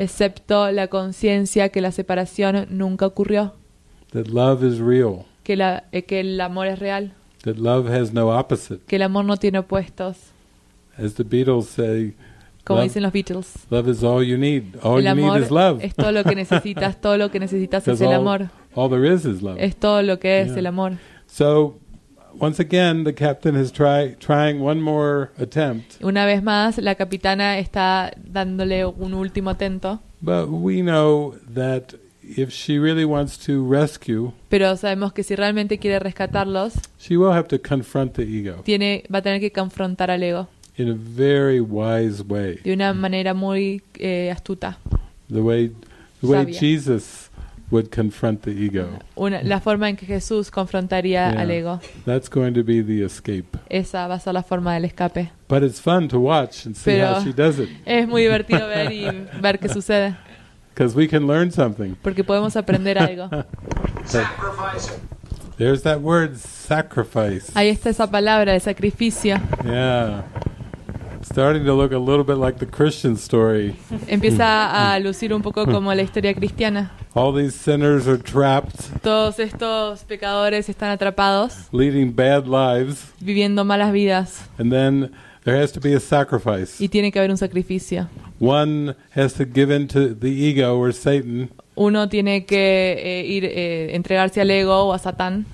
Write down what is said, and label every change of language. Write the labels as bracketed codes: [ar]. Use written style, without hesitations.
[es] Excepto la conciencia que la separación nunca ocurrió. [en] That love is real. [es] Que el amor es real. [en] That love has no opposite. [es] Que el amor no tiene opuestos. [en] As the Beatles say, [es] como dicen los Beatles, [en] love is all you need. All you need is love. [es] Es todo lo que necesitas. Todo lo que necesitas es el amor. [en] All there is love. [es] Es todo lo que es el amor. [en] So, once again, the captain is trying one more attempt. [es] Una vez más, la capitana está dándole un último intento. [en] But we know that if she really wants to rescue, [es] pero sabemos que si realmente quiere rescatarlos, [en] she will have to confront the ego. [es] Va a tener que confrontar al ego. [en] In a very wise way. [es] De una manera muy astuta. [en] The way Jesus would confront the ego. [es] La forma en que Jesús confrontaría al ego. [en] That's going to be the escape. [es] Esa va a ser la forma del escape. [en] But it's fun to watch and see how she does it. [es] Es muy divertido ver y ver qué sucede. [en] Because we can learn something. [es] Porque podemos aprender algo. [en] Sacrifice. There's that word, sacrifice. [es] Ahí está esa palabra, el sacrificio. [en] Yeah. Starting to look a little bit like the Christian story. [es] Empieza a lucir un poco como la historia cristiana. [en] All these sinners are trapped. [es] Todos estos pecadores están atrapados. [en] Leading bad lives. [es] Viviendo malas vidas. [en] And then there has to be a sacrifice. [es] Y tiene que haber un sacrificio. [en] One has to give in to the ego or Satan. [es] Uno tiene que entregarse al ego o a Satán.